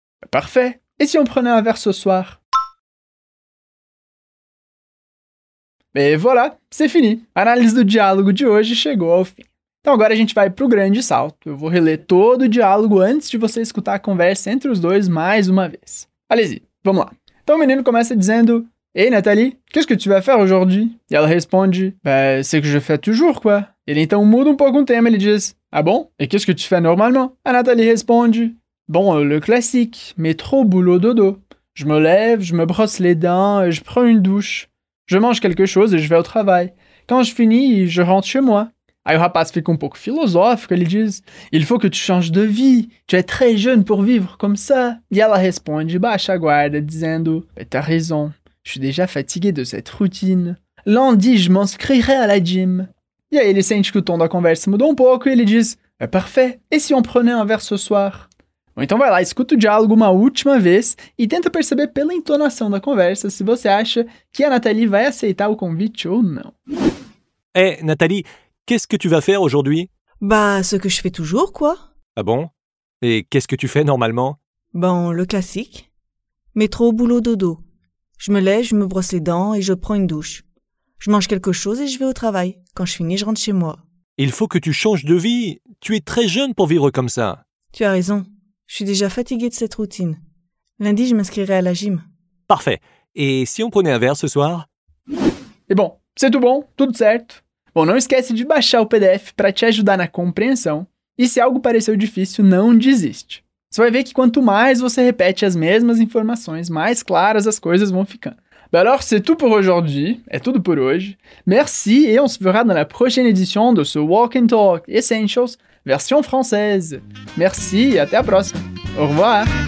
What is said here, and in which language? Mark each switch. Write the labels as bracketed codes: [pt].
[fr] Parfait. Et si on prenait un verre ce soir? Et voilà, c'est fini. [pt] A análise do diálogo de hoje chegou ao fim. Então agora a gente vai pro grande salto. Eu vou reler todo o diálogo antes de você escutar a conversa entre os dois mais uma vez. [fr] Allez-y, [pt] vamos lá. Então o menino começa dizendo: [fr] Ei, Nathalie, qu'est-ce que tu vas faire aujourd'hui? [pt] E ela responde: [fr] Bah, c'est que je fais toujours, quoi. [pt] Ele então muda um pouco o tema, ele diz: [fr] Ah bon? Et qu'est-ce que tu fais normalement? [pt] A Nathalie responde: [fr] Bon, le classique, métro, boulot, dodo. Je me lève, je me brosse les dents, et je prends une douche. Je mange quelque chose et je vais au travail. Quand je finis, je rentre chez moi. [pt] Aí o rapaz fica um pouco filosófico, ele diz: [fr] Il faut que tu changes de vie. Tu es très jeune pour vivre comme ça. [pt] E ela responde, baixa a guarda, dizendo: [fr] T'as raison. Je suis déjà fatigué de cette routine. Lundi, je m'inscrirai à la gym. [pt] E aí ele sente que o tom da conversa mudou um pouco e ele diz: É parfait. [fr] Et si on prenait un verre ce soir? [pt] Bom, então vai lá, escuta o diálogo uma última vez e tenta perceber pela entonação da conversa se você acha que a Nathalie vai aceitar o convite ou não. [fr] Hey, Nathalie, qu'est-ce que tu vas faire aujourd'hui? Bah, ce que je fais toujours, quoi. Ah bon? Et qu'est-ce que tu fais normalement? Bon, le classique. Métro, boulot, dodo. Je me lève, je me brosse les dents et je prends une douche. Je mange quelque chose et je vais au travail. Quand je finis, je rentre chez moi. Il faut que tu changes de vie. Tu es très jeune pour vivre comme ça. Tu as raison. Je suis déjà fatiguée de cette routine. Lundi, je m'inscrirai à la gym. Parfait. Et si on prenait un verre ce soir? Et bon, c'est tout bon, tout [pt] certo. Bon, não esquece de baixar o PDF para te ajudar na compreensão. E se algo pareceu difícil, não desiste. Você vai ver que quanto mais você repete as mesmas informações, mais claras as coisas vão ficando. [fr] Ben alors, c'est tout pour aujourd'hui. [pt] É tudo por hoje. [fr] Merci et on se verra dans la prochaine édition de ce Walk and Talk Essentials, version française. Merci et à la prochaine. Au revoir.